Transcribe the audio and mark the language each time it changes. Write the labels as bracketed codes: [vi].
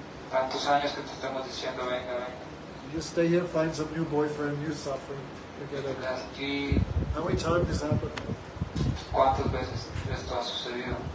[es] Tantos años que te estamos diciendo, venga. [en] You stay here, find some new boyfriend, new suffering, forget everything. How many times has happened? [es] ¿Cuántas veces esto ha sucedido?